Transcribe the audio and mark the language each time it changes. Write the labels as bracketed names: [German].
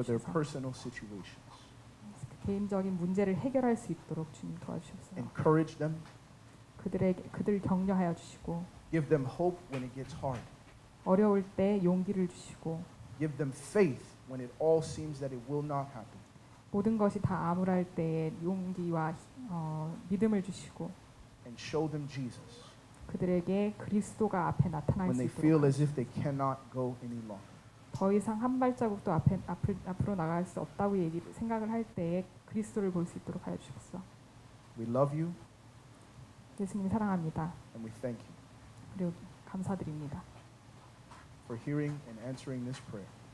[English] for their personal situations, [Korean] 개인적인 문제를 해결할 수 있도록 주님 도와주셔서 [English] encourage them, [Korean] 그들에게 그들을 격려하여 주시고 [English] give them hope when it gets hard, [Korean] 어려울 때 용기를 주시고 [English] give them faith when it all seems that it will not happen. [Korean] 모든 것이 다 암울할 때에 용기와 믿음을 주시고 [English] and show them Jesus. [Korean] 그들에게 그리스도가 앞에 나타날 [English] when [Korean] 수 있도록 [English] they feel as if they cannot go any longer. [Korean] 더 이상 한 발자국도 앞에 앞으로 나갈 수 없다고 생각을 할 때에 그리스도를 볼 수 있도록 하여 주시옵소서. [English] We love you. [Korean] 예수님 사랑합니다. [English] And we thank you. [Korean] 그리고 감사드립니다. [English] For hearing and answering this prayer.